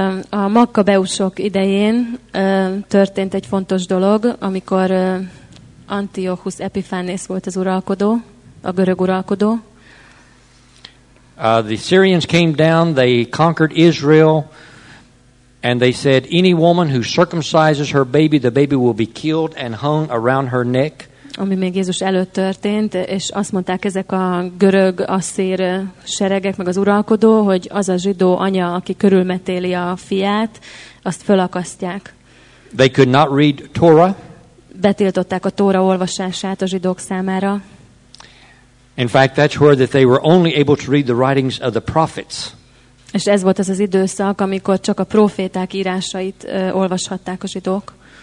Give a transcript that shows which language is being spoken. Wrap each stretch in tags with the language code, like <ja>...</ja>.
<hu>A Makkabeusok idején történt egy fontos dolog, amikor Antiochus Epiphanes volt az uralkodó, a görög uralkodó.</hu> <en>The Syrians came down, they conquered Israel, and they said, any woman who circumcises her baby, the baby will be killed and hung around her neck.</en> <hu>Ami még Jézus előtt történt, és azt mondták ezek a görög asszír seregek, meg az uralkodó, hogy az a zsidó anya, aki körülmetéli a fiát, azt fölakasztják.</hu> <en>They could not read Torah.</en> <hu>Betiltották a Tóra olvasását a zsidók számára.</hu> <en>In fact, that's where that they were only able to read the writings of the prophets.</en> <hu>És ez volt az az időszak, amikor csak a proféták írásait olvashatták a zsidók.</hu>